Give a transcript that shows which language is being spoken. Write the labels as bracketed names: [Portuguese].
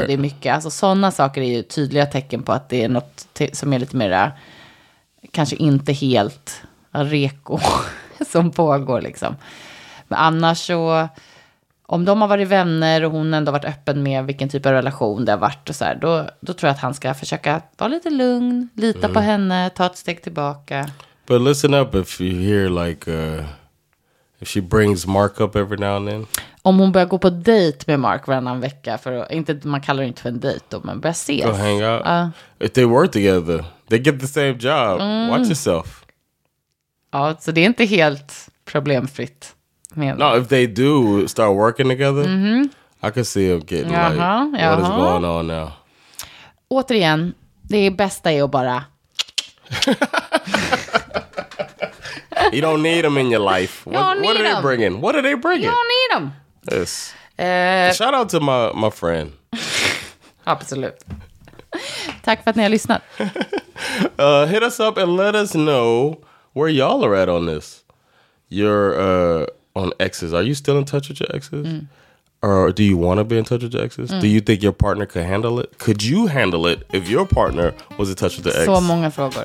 [Swedish] Och det är mycket, alltså sådana saker är ju tydliga tecken på att det är något som är lite mer, kanske inte helt reko som pågår liksom. Men annars så, om de har varit vänner och hon ändå varit öppen med vilken typ av relation det har varit och så här, då tror jag att han ska försöka vara lite lugn, lita på henne, ta ett steg tillbaka. [English] But listen up if you hear like if she brings Mark up every now and then. [Swedish] Om hon börjar gå på dejt med Mark varannan vecka för inte man kallar det inte för en dejt då men börjar ses. [English] Go hang out. If they work together, they get the same job. Mm. Watch yourself. [Swedish] Ja, så det är inte helt problemfritt med. [English] No, if they do start working together, I could see them getting what is going on now. [Swedish] Återigen, det bästa är att bara [English] you don't need them in your life. What are they bringing? You don't need them. Yes. Shout out to my friend. [Swedish] Absolut. Tack för att ni har lyssnat. [English] Hit us up and let us know where y'all are at on this. You're on exes. Are you still in touch with your exes? Mm. Or do you want to be in touch with your exes? Mm. Do you think your partner could handle it? Could you handle it if your partner was in touch with the ex? [Swedish] Så många frågor.